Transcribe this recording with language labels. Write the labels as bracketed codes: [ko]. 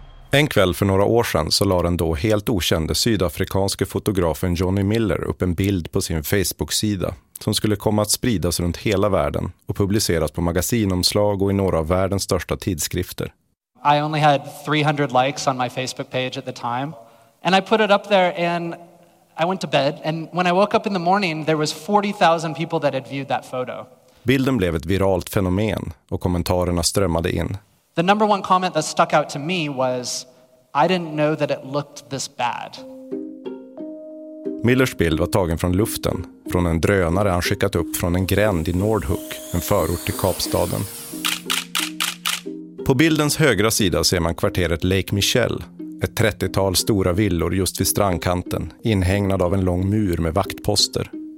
[sv] En kväll för några år sedan så la den då helt okände sydafrikanske fotografen Johnny Miller upp en bild på sin Facebook-sida som skulle komma att spridas runt hela världen och publiceras på magasinomslag och i några av världens största tidskrifter. [en] I only had 300 likes on my Facebook page at the time and I put it up there and I went to bed and when I woke up in the morning there was 40,000 people that had viewed that photo. [sv] Bilden blev ett viralt fenomen och kommentarerna strömmade in. [en] The number one comment that stuck out to me was I didn't know that it looked this bad. [sv] Millers bild var tagen från luften, från en drönare han skickat upp från en gränd i Nordhook, en förort till Kapstaden. På bildens högra sida ser man kvarteret Lake Michel, ett 30-tal stora villor just vid strandkanten, inhägnad av en lång mur med vaktposter.